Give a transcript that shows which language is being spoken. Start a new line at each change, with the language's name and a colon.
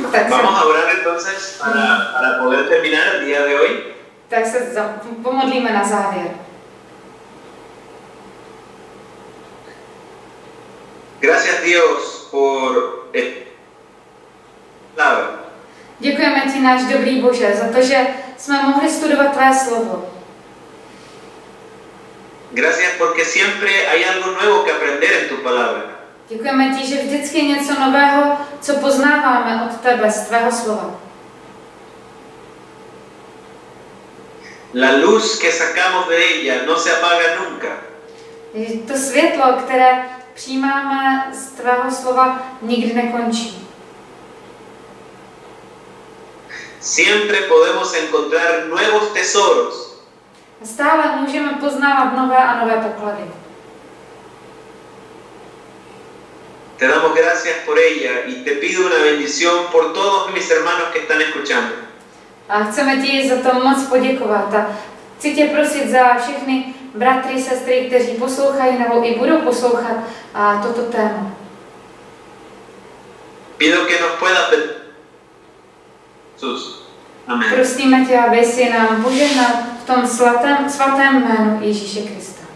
Spanish: Vamos a orar entonces para poder terminar el día de hoy.
Czech: Tak se pomodlíme na závěr.
Spanish: Gracias Dios por palabra.
Czech: Děkujeme ti, náš dobrý Bože, za to, že jsme mohli studovat tvé slovo.
Spanish: Gracias porque siempre hay algo nuevo que aprender en tu palabra.
Czech: Děkujeme ti, že vždycky něco nového, co poznáváme od tebe, z tvého slova.
Spanish: La luz que sacamos de ella no se apaga nunca.
Czech: To světlo, které přijímáme z tvého slova, nikdy nekončí.
Spanish: Siempre podemos encontrar nuevos tesoros.
Czech: Stále můžeme poznávat nové a nové poklady.
Spanish: Te damos gracias por ella y te pido una bendición por todos mis hermanos que están escuchando.
Czech: A chceme ti za to moc poděkovat a chci tě prosit za všechny bratry, sestry, kteří poslouchají nebo i budou poslouchat toto téma.
Spanish: Pido que nos pueda Jesús. Amen.
Czech: Prosíme tě, aby si nám požehnal v tom svatém jménu Ježíše Krista.